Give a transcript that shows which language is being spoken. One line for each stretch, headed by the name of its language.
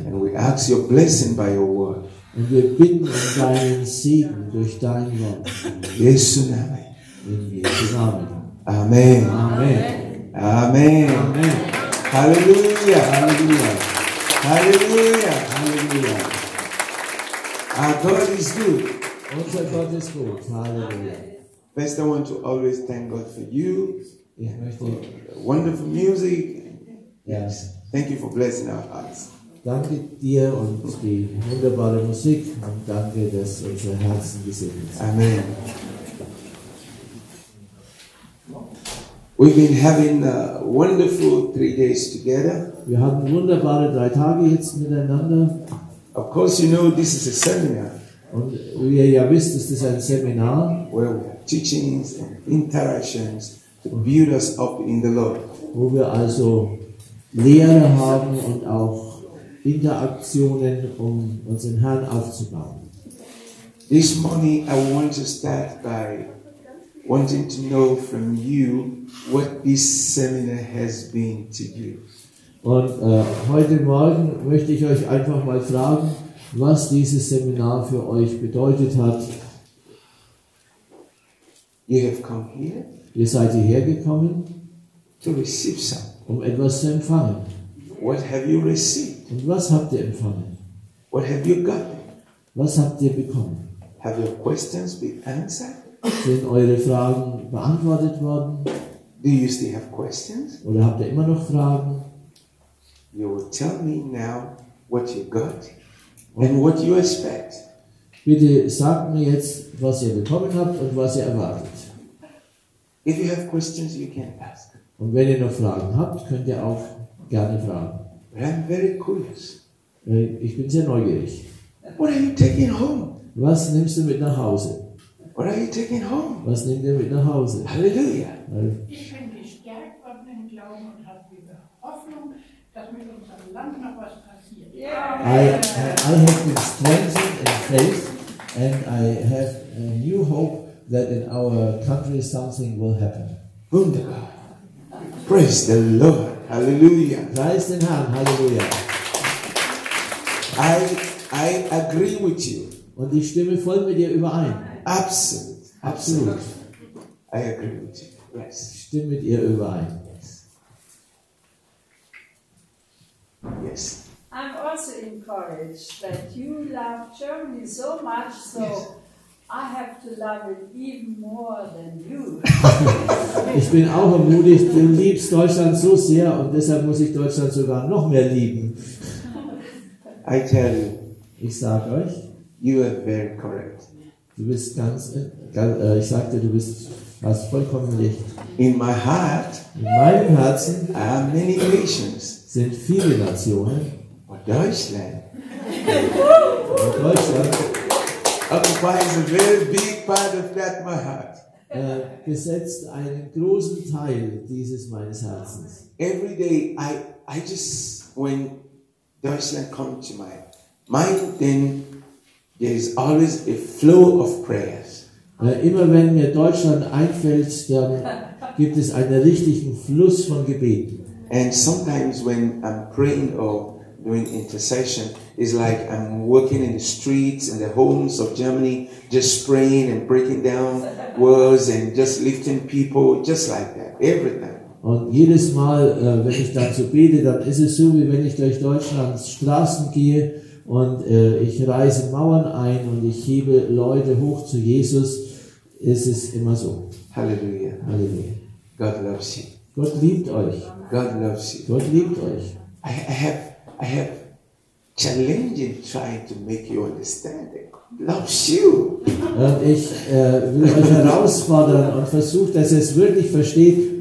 English: And we ask your blessing by your word.
German: Und wir bitten um deinen Segen durch dein Wort. In Jesu Name. In Jesu Namen. Amen. Amen. Amen. Amen. Hallelujah. Hallelujah. Hallelujah. Hallelujah.
English: Our God is good.
German: Unser Gott ist gut. Hallelujah.
English: First, I want to always thank God for you, for wonderful music. Yes. Thank you for blessing our hearts.
German: Danke dir und die wunderbare Musik und danke, dass unsere Herzen gesegnet sind. Amen.
English: We've been having a wonderful 3 days together.
German: Wir hatten wunderbare 3 Tage jetzt miteinander.
English: Of course, you know this is a seminar.
German: Und wie ihr ja wisst, ist das ein Seminar.
English: Well, teachings and interactions to build us up in the Lord.
German: Wo wir also Lehre haben und auch Interaktionen, um uns im Herrn aufzubauen.
English: This morning I want to start by wanting to know from you what this seminar has been to you.
German: Und heute Morgen möchte ich euch einfach mal fragen, was dieses Seminar für euch bedeutet hat.
English: You have come here.
German: Ihr seid hierher gekommen,
English: to receive something.
German: Um etwas zu empfangen.
English: What have you received?
German: Und was habt ihr empfangen?
English: What have you got?
German: Was habt ihr bekommen?
English: Have your questions been answered?
German: Sind eure Fragen beantwortet worden?
English: Do you still have questions?
German: Oder habt ihr immer noch Fragen?
English: You will tell me now what you got and what you expect.
German: Bitte sagt mir jetzt, was ihr bekommen habt und was ihr erwartet.
English: If you have questions, you can ask.
German: Und wenn ihr noch Fragen habt, könnt ihr auch gerne fragen.
English: I'm very curious.
German: Ich bin sehr neugierig.
English: What are you taking home?
German: Was nimmst du mit nach Hause?
English: What are you taking home?
German: Was nehmt ihr mit nach Hause? Halleluja. Ich bin gestärkt worden im Glauben und habe wieder Hoffnung, dass mit unserem Land noch was passiert.
English: Yeah. I have been strengthened in faith and I have a new hope that in our country something will happen. Wunderbar. Praise the Lord. Halleluja.
German: Preist den Herrn. Halleluja.
English: I agree with you.
German: Und ich stimme voll mit dir überein. Absolut. Absolut.
English: I agree with you. Yes.
German: Ich stimme mit ihr überein.
English: Yes. I'm also encouraged that you love Germany so much, so yes. I have to love it even more than you.
German: Ich bin auch ermutigt, du liebst Deutschland so sehr und deshalb muss ich Deutschland sogar noch mehr lieben.
English: I tell you.
German: Ich sage euch.
English: You are very correct.
German: Du bist ganz, ich sagte, du bist hast vollkommen recht.
English: In my heart,
German: in meinem Herzen,
English: I have many nations.
German: Sind viele Nationen.
English: But Deutschland.
German: Und Deutschland.
English: Occupies a very big part of that my heart.
German: Besetzt einen großen Teil dieses meines Herzens.
English: Every day I just when Deutschland comes to my mind, then there is always a flow of prayers.
German: Immer wenn mir Deutschland einfällt, dann gibt es einen richtigen Fluss von Gebeten.
English: And sometimes when I'm praying or doing intercession, it's like I'm walking in the streets and the homes of Germany, just praying and breaking down walls and just lifting people, just like that, everything.
German: Und jedes Mal, wenn ich dazu bete, dann ist es so, wie wenn ich durch Deutschlands Straßen gehe. Und ich reiße Mauern ein und ich hebe Leute hoch zu Jesus. Es ist immer so. Halleluja. Halleluja.
English: God loves you.
German: Gott liebt euch.
English: God loves you.
German: Gott liebt euch.
English: I have challenging trying to make you understand that God loves you.
German: Und ich will euch herausfordern und versuche, dass ihr es wirklich versteht.